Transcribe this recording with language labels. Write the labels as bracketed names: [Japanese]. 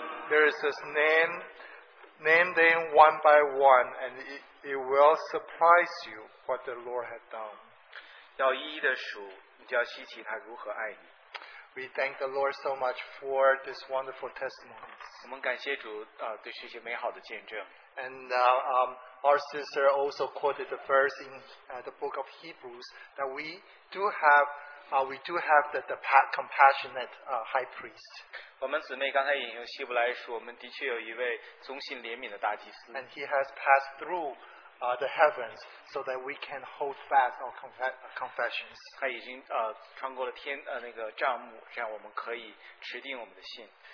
[English] There is this name them one by one, and it will surprise you what the Lord had done. [Chinese] 要一一的数，你就要稀奇他如何爱你。 [English] We thank the Lord so much for this wonderful testimony. [Chinese] 我们感谢主, 对这些美好的见证。 [English] And our sister also quoted the verse in the book of Hebrews that we do have the compassionate high priest. [Chinese] 我们姊妹刚才引用希伯来书，我们的确有一位忠心怜悯的大祭司。 [English] And he has passed through the heavens so that we can hold fast our confessions. [Chinese] 他已经, 穿过了天, 那个帐幕, 这样我们可以持定我们的信。